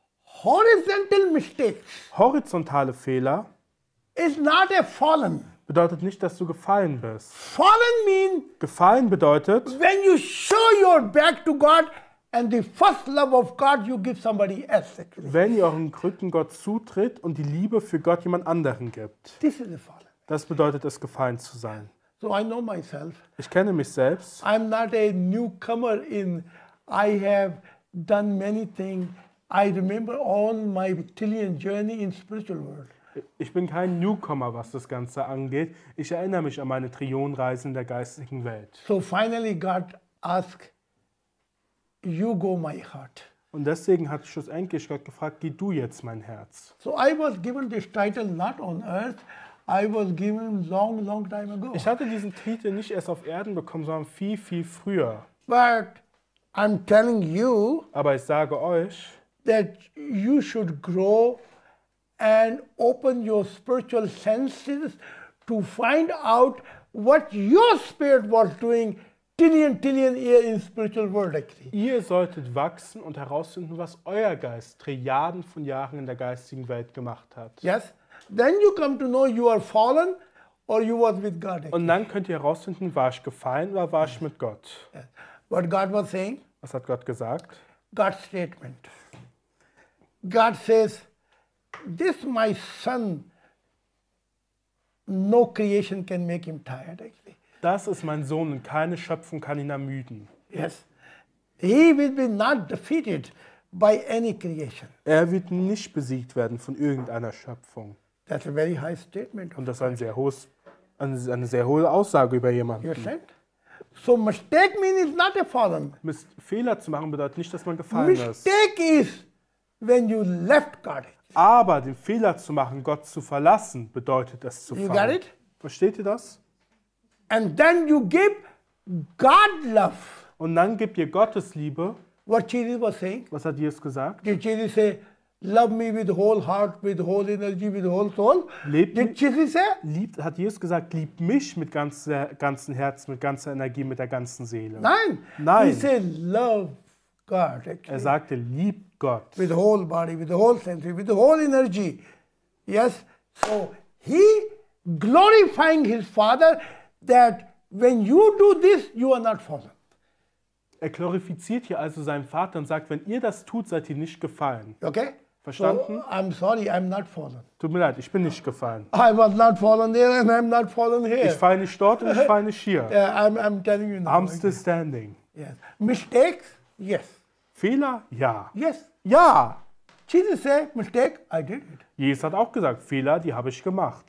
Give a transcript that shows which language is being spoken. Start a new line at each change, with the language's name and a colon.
English: horizontal mistakes.
German: Horizontale Fehler
English: is not a fallen.
German: Bedeutet nicht, dass du gefallen bist.
English: Fallen mean,
German: gefallen bedeutet,
English: when you show your back to God and the first love of God you give somebody else.
German: Wenn ihr euren Rücken Gott zutritt und die Liebe für Gott jemand anderen gibt.
English: This is a fallen.
German: Das bedeutet es, gefallen zu sein.
English: So I know myself.
German: Ich kenne mich selbst.
English: I'm not a newcomer in, I have done many things. I remember all my Italian journey in spiritual world.
German: Ich bin kein Newcomer, was das Ganze angeht. Ich erinnere mich an meine Trillionreisen in der geistigen Welt.
English: So finally God asked, you go my heart.
German: Und deswegen hat schlussendlich Gott gefragt, geh du jetzt mein Herz.
English: So I was given this title not on earth, I was given long, long time ago.
German: Ich hatte diesen Titel nicht erst auf Erden bekommen, sondern viel, viel früher.
English: But I'm telling you,
German: aber ich sage euch,
English: that you should grow and open your spiritual senses to find out what your spirit was doing trillion, trillion years in spiritual world.
German: Ihr solltet wachsen und herausfinden, was euer Geist Trilliarden von Jahren in der geistigen Welt gemacht hat.
English: Yes, then you come to know you are fallen or you was with God.
German: Und dann könnt ihr herausfinden, war ich gefallen oder war ich mit Gott.
English: Yes. What God was saying?
German: Was hat Gott gesagt?
English: God's statement. God says, this my son, no creation can make him tired, actually.
German: Das ist mein Sohn und keine Schöpfung kann ihn ermüden.
English: Yes. He will be not defeated, by any creation.
German: Er wird nicht besiegt werden von irgendeiner Schöpfung.
English: That's a very high statement.
German: Und das ist eine sehr hohe Aussage über jemanden.
English: You said? So mistake means it's not a fallen.
German: Fehler zu machen bedeutet nicht, dass man gefallen
English: mistake
German: ist.
English: Mistake is when you left God.
German: Aber den Fehler zu machen, Gott zu verlassen, bedeutet es zu
English: you
German: fallen.
English: Got it?
German: Versteht ihr das?
English: And then you give God love.
German: Und dann gibt ihr Gottes Liebe.
English: What Jesus was saying?
German: Was hat Jesus gesagt?
English: Did Jesus say, love me with whole heart, with whole energy, with whole soul?
German: Hat Jesus gesagt, lieb mich mit ganzem Herzen, mit ganzer Energie, mit der ganzen Seele? Nein. Nein.
English: He said, love God.
German: Er sagte, lieb Gott.
English: With the whole body, with the whole senses, with the whole energy. Yes. So he glorifying his Father that when you do this, you are not fallen.
German: Er glorifiziert hier also seinen Vater und sagt, wenn ihr das tut, seid ihr nicht gefallen.
English: Okay.
German: Verstanden?
English: So, I'm sorry, I'm not fallen.
German: Tut mir leid, ich bin nicht gefallen.
English: I was not fallen there and I'm not fallen here.
German: Ich falle nicht dort und ich falle nicht hier.
English: Yeah, I'm telling you now. I'm still standing. Yes. Mistakes? Yes.
German: Fehler? Ja.
English: Yes.
German: Ja.
English: Jesus said, mistake, I did it.
German: Jesus hat auch gesagt, Fehler, die habe ich gemacht.